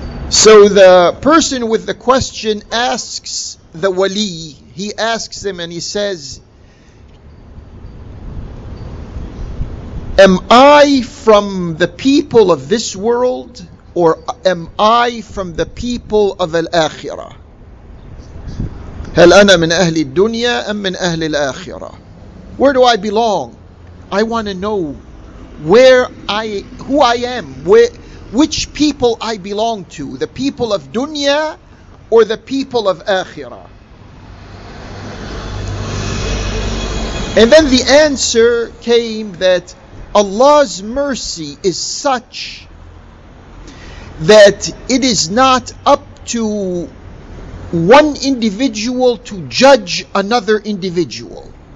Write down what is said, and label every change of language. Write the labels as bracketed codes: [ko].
[en] So the person with the question asks the wali, he asks him and he says, am I from the people of this world or am I from the people of al-akhirah? [ar] هل أنا من أهل الدنيا أم من أهل الآخرة? [en] Where do I belong? I want to know who I am, which people I belong to, the people of dunya or the people of akhirah. And then the answer came that Allah's mercy is such that it is not up to one individual to judge another individual.